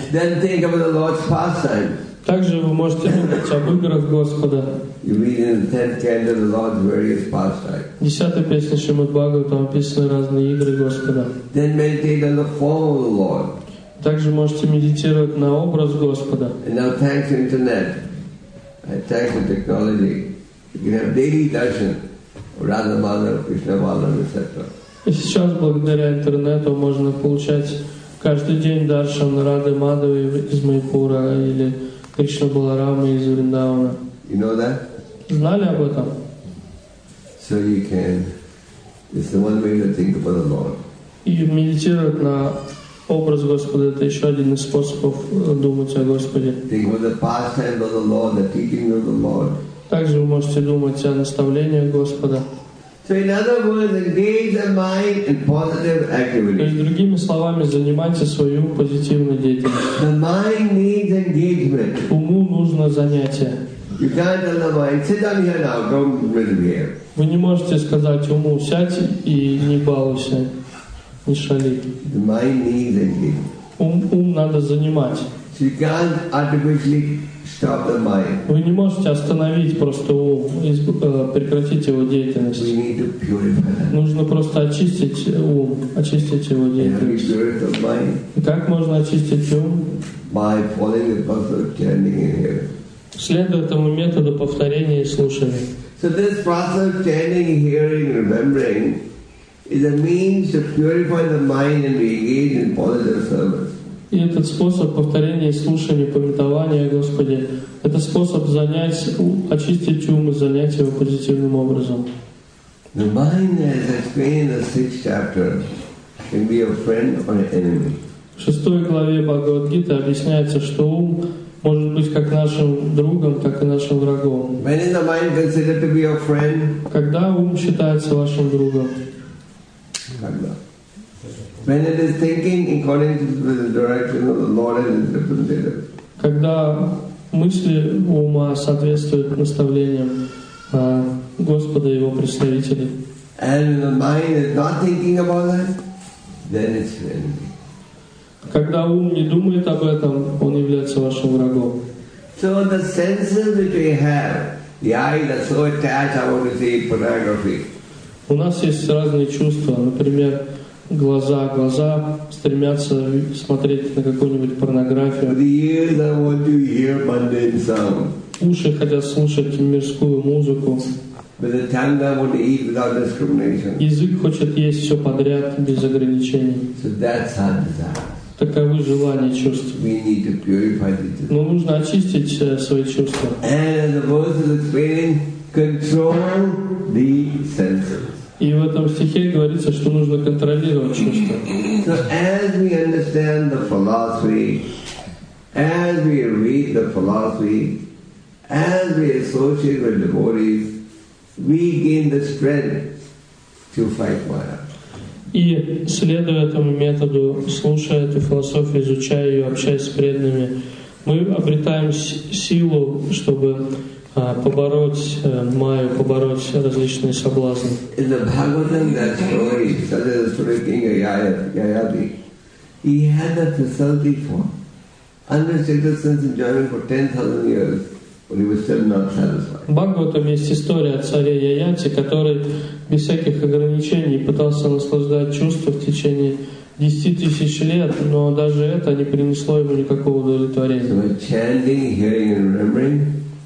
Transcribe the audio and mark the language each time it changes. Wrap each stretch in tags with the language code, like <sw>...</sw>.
<en>Then think of the Lord's pastimes.</en> <ru>Также вы можете думать об играх Господа. В 10-й песне Шримад Бхагаватам описаны разные игры Господа.</ru> <en>Then meditate on the form of the Lord.</en> <ru>Также можете медитировать на образ Господа.</ru> <en>And now thanks to internet, thanks to technology, you can have daily darshan of Radha Madhava, Krishna Madhava, etc.</en> <ru>И сейчас благодаря интернету можно получать каждый день даршан Рады Мадхавы из Майпура или Кришна Баларамы из Вриндавана.</ru> <en>You know that?</en> <ru>Знали об этом?</ru> <en>So you can. It's the one way to think about the Lord.</en> <ru>И медитировать на образ Господа – это еще один из способов думать о Господе.</ru> <en>Think about the pastimes of the Lord, the teaching of the Lord.</en> <ru>Также вы можете думать о наставлениях Господа.</ru> <en>So in other words, engage the mind in positive activity.</en> <ru>То есть другими словами, занимайте свою позитивную деятельность.</ru> <en>The mind needs engagement.</en> <ru>Уму нужно занятие.</ru> <en>You can't tell the mind, sit down here now, don't move here.</en> <ru>Вы не можете сказать уму, сядь и не балуйся, не шали.</ru> <en>The mind needs engagement.</en> <ru>Ум надо занимать.</ru> <en>So you can't artificially stop the mind.</en> <ru>Вы не можете остановить просто ум, прекратить его деятельность.</ru> <en>We need to purify that.</en> <ru>Нужно просто очистить ум, очистить его деятельность.</ru> <en>And how do you purify the mind?</en> <ru>И как можно очистить ум?</ru> <en>By following the process of chanting and hearing.</en> <ru>Следуя этому методу повторения и слушания.</ru> <en>So this process of chanting, hearing, remembering is a means to purify the mind and engage in positive service.</en> <ru>И этот способ повторения и слушания, памятования о Господе, это способ занять, очистить ум и занять его позитивным образом.</ru> <en>The mind, as explained in the sixth chapter, can be a friend or an enemy.</en> <ru>В шестой главе Бхагавад-гиты объясняется, что ум может быть как нашим другом, так и нашим врагом.</ru> <en>When is the mind considered to be your friend?</en> <ru>Когда ум считается вашим другом?</ru> <en>When it is thinking according to the direction of the Lord and His representative.</en> <ru>Когда мысли ума соответствуют наставлениям Господа и Его представителей.</ru> <en>And the mind is not thinking about that, then it's an enemy.</en> <ru>Когда ум не думает об этом, он является вашим врагом.</ru> <en>So the senses that we have, the eyes are so attached, I want to see pornography.</en> <ru>У нас есть разные чувства, например, глаза. Глаза стремятся смотреть на какую-нибудь порнографию.</ru> <en>The ears, I want to hear mundane sound.</en> <ru>Уши хотят слушать мирскую музыку.</ru> <en>But the tongue would eat without discrimination.</en> <ru>Язык хочет есть все подряд, без ограничений.</ru> <en>So that's our desire.</en> <ru>Таковы желания чувств.</ru> <en>We need to purify the</en> <ru>Но нужно очистить свои чувства.</ru> <en>And the verse is explaining, control the senses.</en> <ru>И в этом стихе говорится, что нужно контролировать чувства.</ru> <en>So as we understand the philosophy, as we read the philosophy, as we associate with devotees, we gain the strength to fight fire.</en> <ru>И следуя этому методу, слушая эту философию, изучая ее, общаясь с преданными, мы обретаем силу, чтобы побороть майю, побороть различные соблазны.</ru> <en>In the Bhagavatam, that story, such as the story of King Yayati, he had that facility for unrestricted sense enjoyment for 10,000 years.</en> <ru>В Бхагаватам есть история о царе Яяти, который без всяких ограничений пытался наслаждать чувства в течение 10 тысяч лет, но даже это не принесло ему никакого удовлетворения.</ru>